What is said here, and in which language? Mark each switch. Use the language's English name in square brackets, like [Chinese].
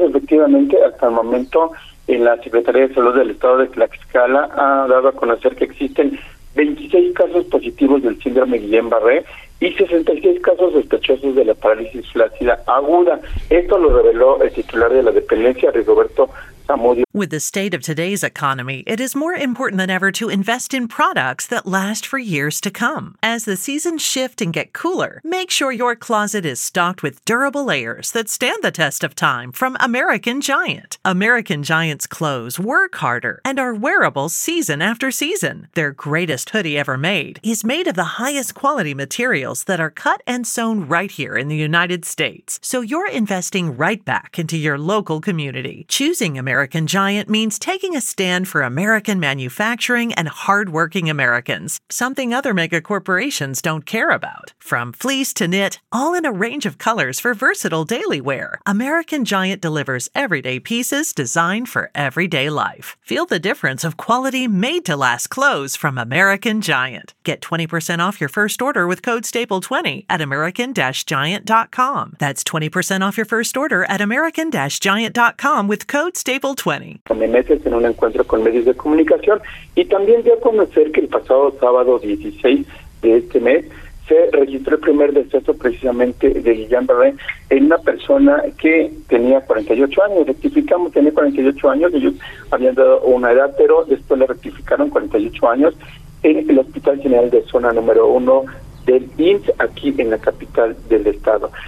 [Spanish] Efectivamente, hasta el momento en la Secretaría de Salud del Estado de Tlaxcala ha dado a conocer que existen 26 casos positivos del síndrome Guillain-Barré y 66 casos sospechosos de la parálisis flácida aguda. Esto lo reveló el titular de la dependencia, Rigoberto Zamudio. [English] With the state of today's economy, it is more important than ever to invest in products that last for years to come. As the seasons shift and get cooler, make sure your closet is stocked with durable layers that stand the test of time from American Giant. American Giant's clothes work harder and are wearable season after season. Their greatest hoodie ever made is made of the highest quality materials that are cut and sewn right here in the United States. So you're investing right back into your local community. Choosing American Giant means taking a stand for American manufacturing and hardworking Americans, something other mega corporations don't care about. From fleece to knit, all in a range of colors for versatile daily wear, American Giant delivers everyday pieces designed for everyday life. Feel the difference of quality made to last clothes from American Giant. Get 20% off your first order with code STAPLE20 at American-Giant.com. That's 20% off your first order at American-Giant.com with code STAPLE20. [Spanish] Donde meses en un encuentro con medios de comunicación y también dio a conocer que el pasado sábado 16 de este mes se registró el primer deceso precisamente de Guillain-Barré en una persona que tenía 48 años. Rectificamos, tenía 48 años, ellos habían dado una edad, pero después le rectificaron 48 años en el Hospital General de Zona Número 1 del IMSS, aquí en la capital del estado.